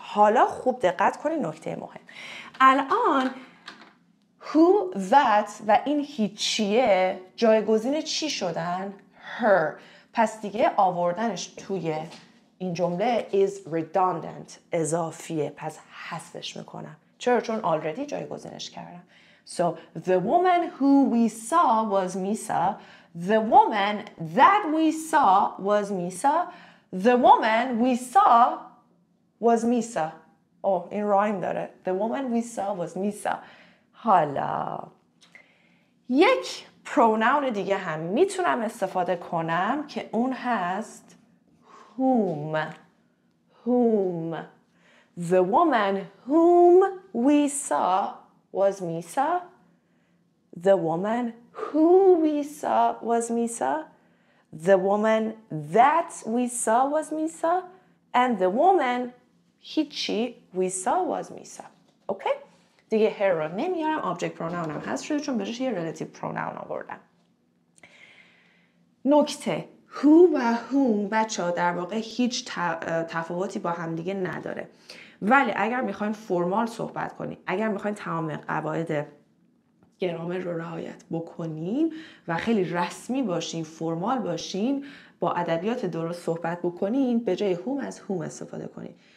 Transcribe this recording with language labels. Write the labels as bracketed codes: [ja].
[fa] حالا خوب دقت کنید نکته مهم. الان who, that و این هیچیه جایگزین چی شدن؟ her. پس دیگه آوردنش توی این جمله [en] is redundant، [fa] اضافیه، پس حذفش میکنم. چرا؟ چون already جایگزینش کردم. [en] So the woman who we saw was Misa. The woman that we saw was Misa. The woman we saw was Misa. Oh, [fa] این rhyme داره. [en] The woman we saw was Misa. [fa] حالا یک pronoun دیگه هم میتونم استفاده کنم که اون هست whom. [en] Whom. The woman whom we saw was Misa. The woman who we saw was Misa. The woman that we saw was Misa. And the woman هیچی we saw was Misa. [fa] Okay؟ دیگه هر رو نمیارم، object pronoun هم هست شده چون بهش یه relative pronoun آوردم. نکته who و whom بچه ها در واقع هیچ تفاوتی با همدیگه نداره، ولی اگر میخواین فرمال صحبت کنیم، اگر میخواین تمام قواعد گرامر رو رعایت بکنیم و خیلی رسمی باشین، فرمال باشین، با ادبیات درست صحبت بکنین، به جای whom از whom استفاده کنین.